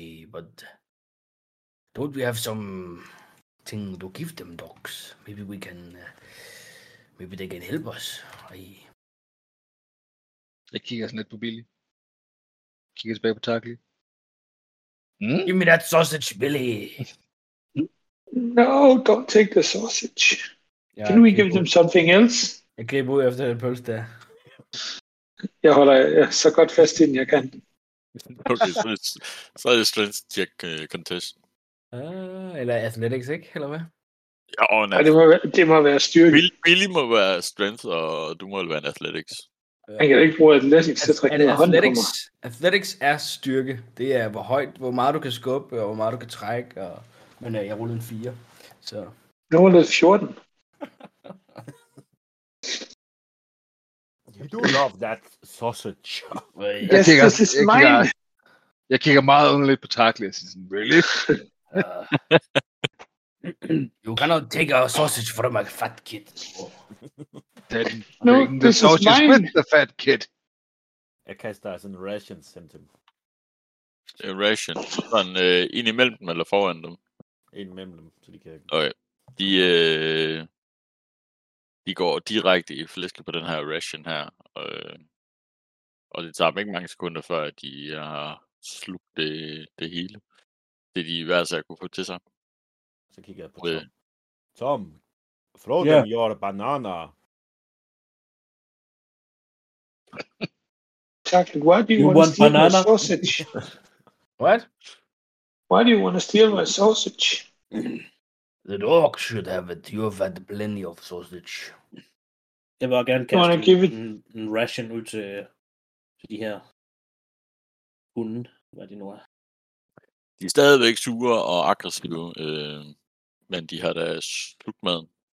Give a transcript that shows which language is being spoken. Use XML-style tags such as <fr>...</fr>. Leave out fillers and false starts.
<en>But don't we have some thing to give them, dogs? Maybe we can maybe they can help us.</en> <da>Jeg kigger sådan lidt på Billy. Kigger tilbage på Tarkly.</da> <en>Give me that sausage, Billy. No, don't take the sausage. Yeah, can we give them something else?</en> <da>Jeg kan ikke bo efter den pølse der. Jeg holder så godt fast inden jeg kan. Okay, så er det</da> <en>strength check contest.</en> <da>Eller athletics, ikke? Eller hvad? Ja, og en det må være styrke. Billy må være strength, og du må være en athletics. Han kan ikke bruge athletics til at trække hånden på mig. Athletics er styrke. Det er hvor meget du kan skubbe, og hvor meget du kan trække. Men jeg rullede en 4. Så. Jeg rullede 14.</da> <en>You do love that sausage. Yes, this is mine.</en> <da>Jeg kigger meget underligt på Tarkly.</da> <en>Really? You cannot take a sausage from a fat kid. No, this is mine. The sausage with the fat kid.</en> <da>Jeg kaster sådan en ration symptom. A ration? Sådan ind imellem dem eller foran dem? Ind imellem dem, så de kan ikke. Okay. De går direkte i flæsket på den her ration her. Og det tager dem ikke mange sekunder, før de har slugt det hele. Det de i hvert fald kunne få til sig. Så kigger jeg på det. Tom,</da> <en>throw them your banana. Exactly. Why do you want to steal banana? My sausage? What? Why do you want to steal my sausage? The dog should have it. You have had plenty of sausage.</en> <da>Jeg vil gerne kaste en ration ud til de her hunde, hvad de nu er. De er stadigvæk sure og aggressive, men de har da slutmaden.</da>